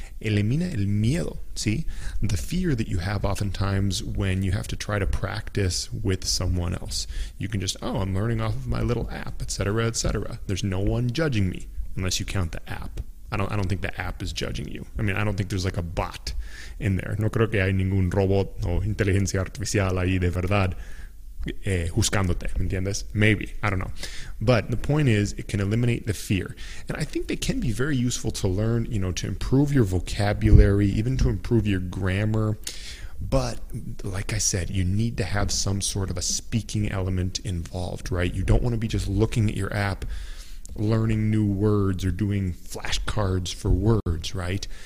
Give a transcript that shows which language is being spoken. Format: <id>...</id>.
<es>elimina el miedo.</es> <en>See, the fear that you have oftentimes when you have to try to practice with someone else. You can just, oh, I'm learning off of my little app, etc., etc. There's no one judging me, unless you count the app. I don't think the app is judging you. I mean, I don't think there's like a bot in there.</en> <es>No creo que hay ningún robot o inteligencia artificial ahí de verdad juzgándote, ¿entiendes?</es> <en>Maybe, I don't know. But the point is, it can eliminate the fear. And I think they can be very useful to learn, you know, to improve your vocabulary, even to improve your grammar. But like I said, you need to have some sort of a speaking element involved, right? You don't want to be just looking at your app, learning new words or doing flashcards for words, right?</en>